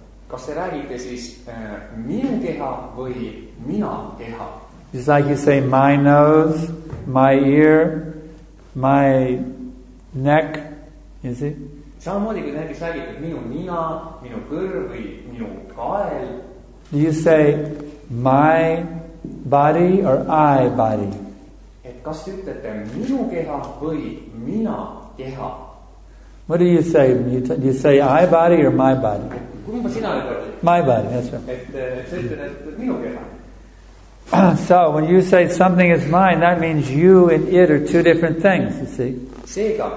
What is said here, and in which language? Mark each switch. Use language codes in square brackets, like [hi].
[et] Kas te räägite siis minu keha või mina keha? [en] Just like you say my nose, my ear, my neck, you see? [et] Samamoodi kui näiteks räägite minu nina, minu kõrv või minu kael. [en] Do you say my body or I body? [et] Et kas te ütlete minu keha või mina keha? [en] What do you say? Do you say I body or my body? My body, that's right. So when you say something is mine, that means you and it are two different things, you see.